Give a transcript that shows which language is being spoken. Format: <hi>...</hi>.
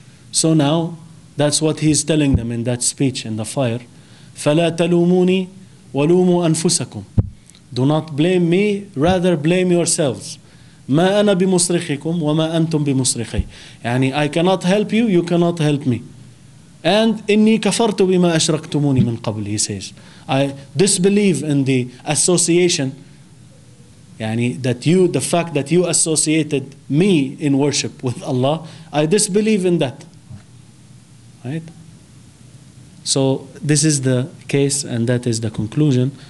<en>So now, that's what he's telling them in that speech in the fire.</en> <ar>فَلَا تَلُومُونِي وَلُومُوا أَنفُسَكُمْ.</ar> <en>Do not blame me, rather blame yourselves.</en> <ar>مَا أَنَا بِمُصْرِخِكُمْ وَمَا أَنْتُمْ بِمُصْرِخِي.</ar> <en>يعني, I cannot help you, you cannot help me.</en> <ar>And إِنِّي كَفَرْتُ بِمَا أَشْرَكْتُمُونِ مِنْ قَبْلِ,</ar> <en>he says. I disbelieve in the association, يعني, that you, the fact that you associated me in worship with Allah, I disbelieve in that. Right? So this is the case, and that is the conclusion.</en>